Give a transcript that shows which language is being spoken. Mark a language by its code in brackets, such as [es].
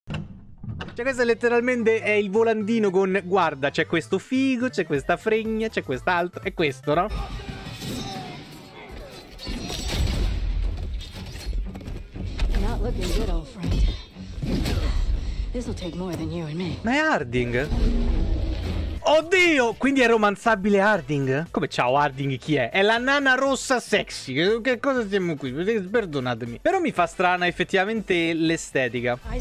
[it] Cioè, questo è letteralmente è il volantino con guarda, c'è questo figo, c'è questa fregna, c'è quest'altro, è questo, no? [en] Not looking good, old friend. This'll take more than you and me. [it] Ma è Harding? Oddio! Quindi è romanzabile Harding? Come ciao Harding chi è? È la nana rossa sexy. Che cosa siamo qui? Perdonatemi. Però mi fa strana effettivamente l'estetica.